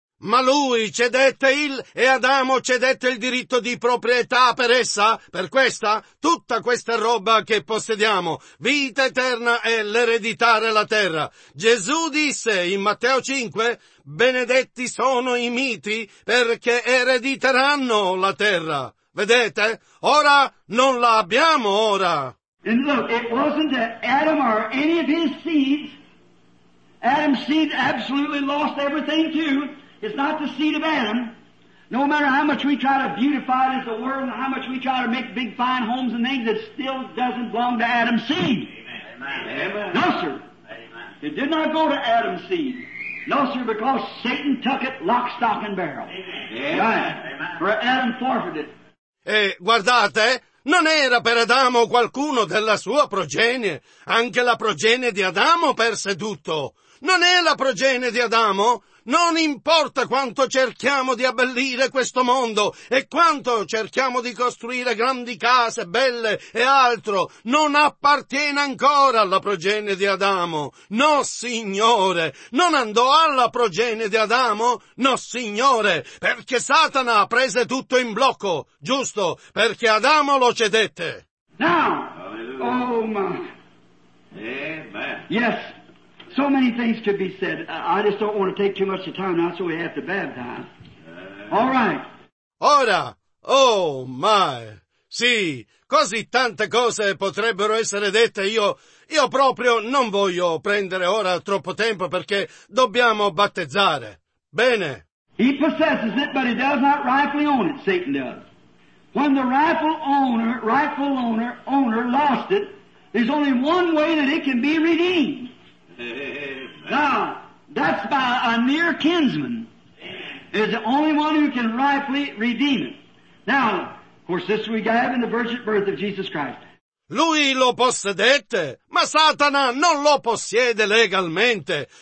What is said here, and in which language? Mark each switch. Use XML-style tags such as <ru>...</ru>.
<it>Ma lui cedette il, e Adamo cedette il diritto di proprietà per essa, per questa, tutta questa roba che possediamo, vita eterna e l'ereditare la terra. Gesù disse in Matteo 5, benedetti sono i miti perché erediteranno la terra. Vedete? Ora non la abbiamo ora.</it> <en>And look, it wasn't that Adam or any of his seeds, Adam's seed absolutely lost everything too. It's not the seed of Adam. No matter how much we try to beautify it as the world, and how much we try to make big fine homes and things, it still doesn't belong to Adam's seed. Amen. Amen. No, sir. Amen. It did not go to Adam's seed. No, sir, because Satan took it lock, stock, and barrel. Amen. Right. Amen. For Adam forfeited.</en> <it>Guardate. Non era per Adamo qualcuno della sua progenie. Anche la progenie di Adamo perse tutto. Non è la progenie di Adamo. Non importa quanto cerchiamo di abbellire questo mondo e quanto cerchiamo di costruire grandi case belle e altro. Non appartiene ancora alla progenie di Adamo. No, signore. Non andò alla progenie di Adamo. No, signore. Perché Satana prese tutto in blocco. Giusto. Perché Adamo lo cedette.</it> <en>Now. Hallelujah. Oh, my. Amen. Yes. So many things could be said. I just don't want to take too much of time now, so we have to baptize. All right.</en> <it>Ora,</it> <en>oh my,</en> <it>sì, così tante cose potrebbero essere dette. Io proprio non voglio prendere ora troppo tempo perché dobbiamo battezzare. Bene.</it> <en>He possesses it, but he does not rightfully own it. Satan does. When the rightful owner lost it, there's only one way that it can be redeemed. Now, that's by a near kinsman is the only one who can rightfully redeem it. Now, of course, this we have in the virgin birth of Jesus Christ.</en> <it>Lui lo possedette, ma Satana non lo possiede legalmente.</it>